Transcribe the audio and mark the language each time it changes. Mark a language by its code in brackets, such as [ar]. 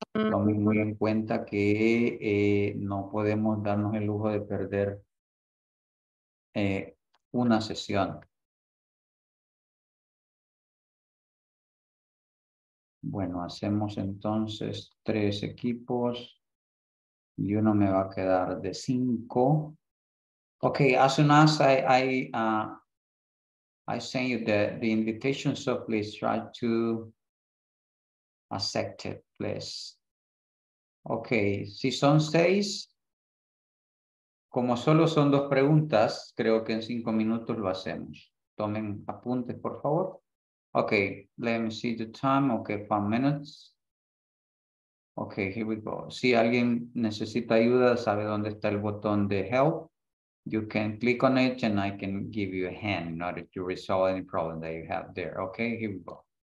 [es] Tomen muy en cuenta que no podemos darnos el lujo de perder una sesión. Bueno, hacemos entonces tres equipos y uno me va a quedar de cinco. [en] Okay, as soon as I send you the invitation, so please try to accept it, please. [es] Okay, si son seis, como solo son dos preguntas, creo que en cinco minutos lo hacemos. Tomen apuntes, por favor. [en] Okay, let me see the time. Okay, 5 minutes. Okay, here we go. [es] Si alguien necesita ayuda, sabe dónde está el botón de help. [en] You can click on it and I can give you a hand in order to resolve any problem that you have there. Okay, here we go.